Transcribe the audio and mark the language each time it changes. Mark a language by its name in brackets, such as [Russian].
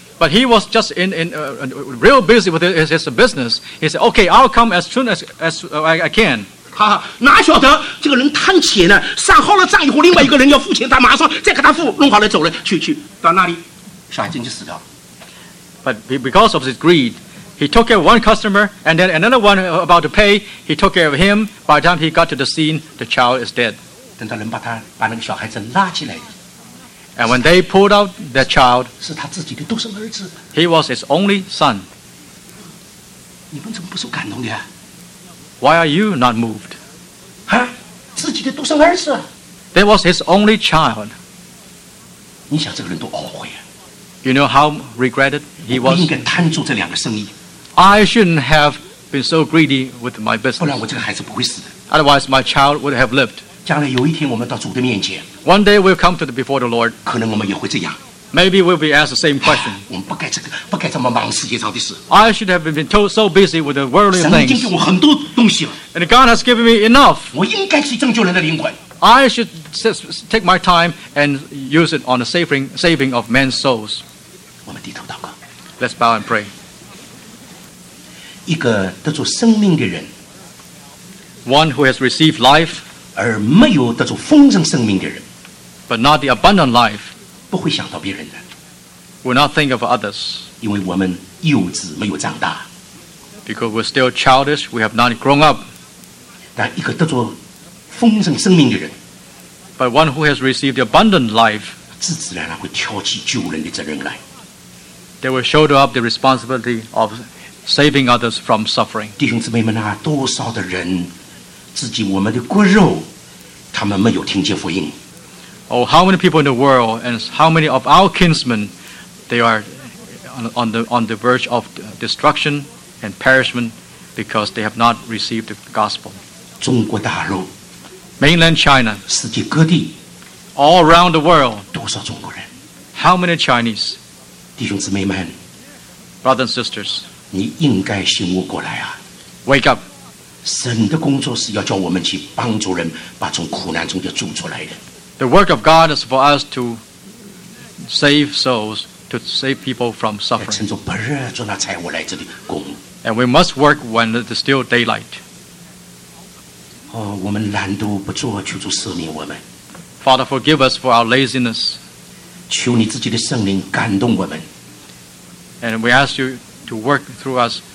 [English] But he was just real busy with his business. He said, "Okay, I'll come as soon as I can." [Chinese] 哪晓得这个人贪钱呢？算好了账以后，另外一个人要付钱，他马上再给他付，弄好了走了，去到那里，小孩子就死掉了。 [English] But because of his greed, he took care of one customer, and then another one about to pay. He took care of him. By the time he got to the scene, the child is dead. [Chinese] 等到人把那个小孩子拉起来。 [English] And when they pulled out their child, [Chinese] 是他自己的独生儿子。 [English] He was his only son. [Chinese] 你们怎么不受感动的啊？ [English] Why are you not moved? [Chinese] 啊，自己的独生儿子。 [English] That was his only child. [Chinese] 你想这个人多懊悔啊！ [English] You know how regretted he was. [Chinese] 我不应该贪住这两个生意。 [English] I shouldn't have been so greedy with my business. [Chinese] 不然我这个孩子不会死的。 [English] Otherwise, my child would have lived. [Chinese] 将来有一天我们到主的面前。 [English] One day we'll come to before the Lord. [Chinese] 可能我们也会这样。 [English] Maybe we'll be asked the same question. [Chinese] 我们不该这么忙世界上的事。 [English] I should have been told so busy with the worldly things. [Chinese] 神已经给我很多东西了。 [English] And God has given me enough. [Chinese] 我应该去拯救人的灵魂。 [English] I should take my time and use it on the saving of men's souls. [Chinese] 我们低头祷告。 [English] Let's bow and pray. [Chinese] 一个得着生命的人。 [English] One who has received life. [Chinese] 而没有得着丰盛生命的人， [English] but not the abundant life， [Chinese] 不会想到别人的， [English] will not think of others， [Chinese] 因为我们幼稚没有长大， [English] because we're still childish， we have not grown up。 [Chinese] 但一个得着丰盛生命的人， [English] but one who has received the abundant life， [Chinese] 自然会挑起救人的责任来， [English] they will shoulder up the responsibility of saving others from suffering。 [Chinese] 弟兄姊妹们啊， 多少的人， 自己我们的骨肉， 他们没有听见福音。 [English] Oh, how many people in the world and how many of our kinsmen, they are on the verge of destruction and perishment because they have not received the gospel. [Chinese] 中国大陆， [English] mainland China, [Chinese] 世界各地， [English] all around the world, [Chinese] 多少中国人， [English] how many Chinese? [Chinese] 弟兄姊妹们， [English] brothers and sisters, [Chinese] 你应该醒悟过来啊， [English] wake up. [Chinese] 神的工作是要叫我们去帮助人，把从苦难中间救出来的。 [English] The work of God is for us to save souls, to save people from suffering. [Chinese] 趁着白日做那差，我来这里工。 [English] And we must work when it is still daylight. [Chinese] 哦，我们懒惰不做，求主赦免我们。 [English] Father, forgive us for our laziness. [Chinese] 求你自己的圣灵感动我们。 [English] And we ask you to work through us.